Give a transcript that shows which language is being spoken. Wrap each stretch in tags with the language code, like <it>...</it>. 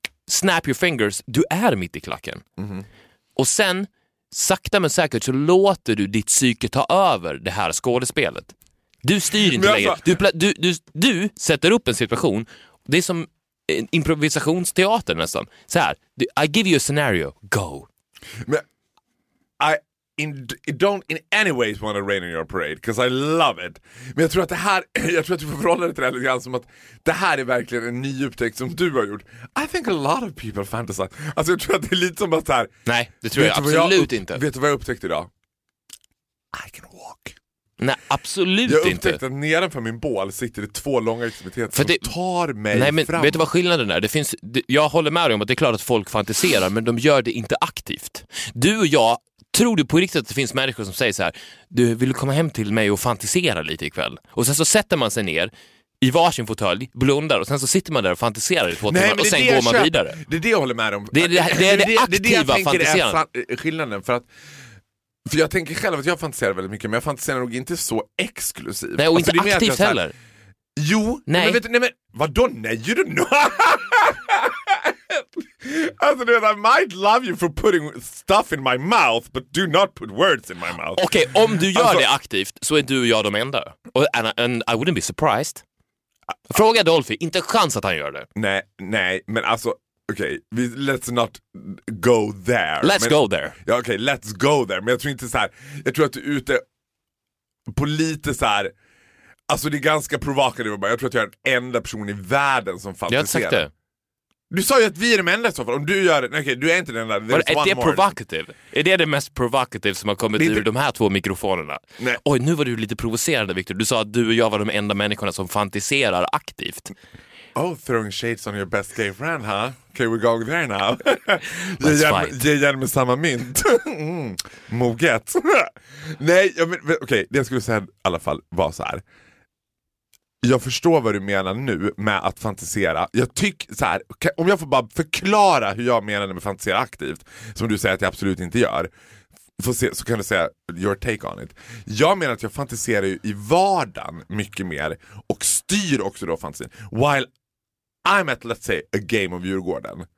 <en>Snap your fingers,</en> <sv>du är mitt i klacken. Och sen sakta men säkert så låter du ditt psyke ta över det här skådespelet. Du styr inte längre. Du sätter upp en situation. Det är som en improvisationsteater nästan. Så här,</sv> <en>I give you a scenario, go.</en> <sv>Men</sv> <en>I don't in any ways want to rain on your parade because I love it.</en> <sv>Men jag tror att det här, jag tror att du får förhålla dig till det lite grann som att det här är verkligen en ny upptäckt som du har gjort.</sv> <en>I think a lot of people fantasize.</en> <sv>Alltså jag tror att det är lite som att här. Nej, det tror jag absolut inte. Vet du vad jag upptäckte idag?</sv> <en>I can walk.</en> <sv>Nej, absolut inte. Jag upptäckte att nedanför min bål sitter det två långa extremiteter som tar mig fram. Nej, men fram. Vet du vad skillnaden är? Jag håller med dig om att det är klart att folk fantiserar, men de gör det inte aktivt. Du och jag, tror du på riktigt att det finns människor som säger så här, du vill komma hem till mig och fantisera lite ikväll? Och sen så sätter man sig ner i varsin fåtölj, blundar och sen så sitter man där och fantiserar i två timmar och sen går man vidare. Det är det jag håller med om. Det är det aktiva fantiserandet. Skillnaden för att för jag tänker själv att jag fantiserar väldigt mycket, men jag fantiserar nog inte så exklusivt. Nej, och inte alltså, aktivt heller. Här, jo, nej. Men vet du, nej men, vadå nej? Alltså,</sv> <en>dude, I might love you for putting stuff in my mouth, but do not put words in my mouth.</en> <sv>Okej, okay, om du gör alltså, det aktivt så är du och jag de enda.</sv> <en>And I wouldn't be surprised.</en> <sv>Fråga Dolphy, inte chans att han gör det. Nej, men alltså, okej,</sv> <en>okay, let's not go there.</en> <sv>Ja, okej,</sv> <en>okay, let's go there.</en> <sv>Men jag tror inte så här, jag tror att du är ute på lite så här, alltså det är ganska provokativt. Jag tror att jag är den enda personen i världen som fantiserar. Jag har sagt det. Du sa ju att vi är de enda i så fall. Om du gör det, okej, du är inte den där. Är det provocative? Är det det mest provocative som har kommit ur de här två mikrofonerna? Nej. Oj, nu var du lite provocerande, Victor. Du sa att du och jag var de enda människorna som fantiserar aktivt.</sv> <en>Oh, throwing shades on your best gay friend, huh? Okay, we're going there now. Let's fight.</en> <sv>Ge igen med samma mynt. Moget. Nej, okej, det jag skulle säga i alla fall var så här. Jag förstår vad du menar nu med att fantisera. Jag tycker så här, om jag får bara förklara hur jag menar med fantisera aktivt, som du säger att jag absolut inte gör, så kan du säga</sv> <en>your take on it.</en> <sv>Jag menar att jag fantiserar ju i vardagen mycket mer och styr också då fantasin.</sv> <en>While I'm at, let's say, a game of Djurgården.</en>